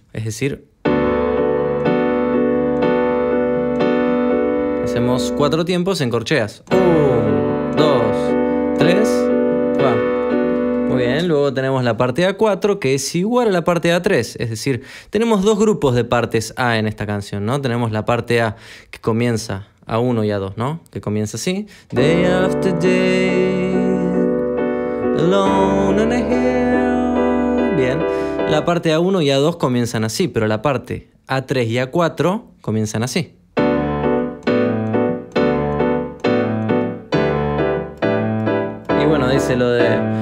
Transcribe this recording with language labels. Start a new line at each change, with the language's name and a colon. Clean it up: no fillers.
Spanish: Es decir, hacemos 4 tiempos en corcheas. 1, 2, 3, 4. Muy bien, luego tenemos la parte A4 que es igual a la parte A3. Es decir, tenemos dos grupos de partes A en esta canción, ¿no? Tenemos la parte A que comienza A1 y A2, ¿no? Que comienza así.
English: Day after day, alone on a hill.
Spanish: Bien, la parte A1 y A2 comienzan así, pero la parte A3 y A4 comienzan así. Y bueno, dice lo de...